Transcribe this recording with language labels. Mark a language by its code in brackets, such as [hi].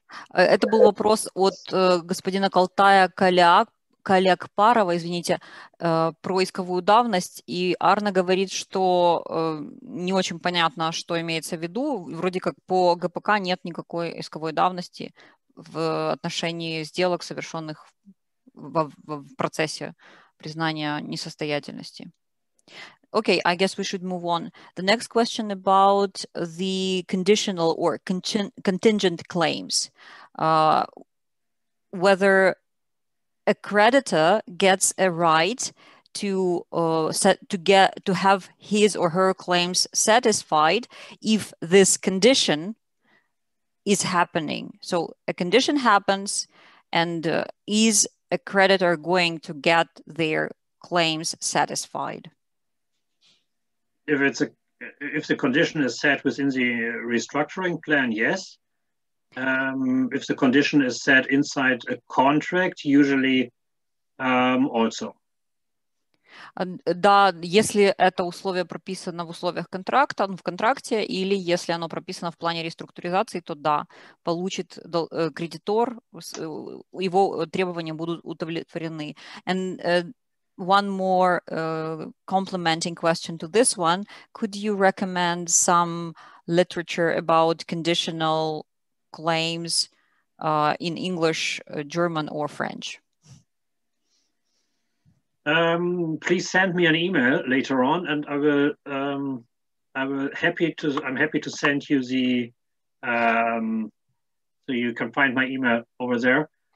[ru] это был вопрос от господина Калтая Калякпарова, извините, про исковую давность, и Арна говорит, что не очень понятно, что имеется в виду, вроде как по ГПК нет никакой исковой давности в отношении сделок, совершенных в процессе признания несостоятельности. [en] Okay, I guess we should move on. The next question about the conditional or contingent claims. Whether a creditor gets a right to have his or her claims satisfied if this condition is happening. So a condition happens and is a creditor going to get their claims satisfied? If the condition is set within the restructuring plan, yes. If the condition is set inside a contract, usually also. [ru] Да, если это условие прописано в условиях контракта, в контракте, или если оно прописано в плане реструктуризации, то да, получит кредитор, его требования будут удовлетворены. [en] One more complementing question to this one. Could you recommend some literature about conditional claims in English, German, or French? Please send me an email later on, and I'm happy to send you the, so you can find my email over there.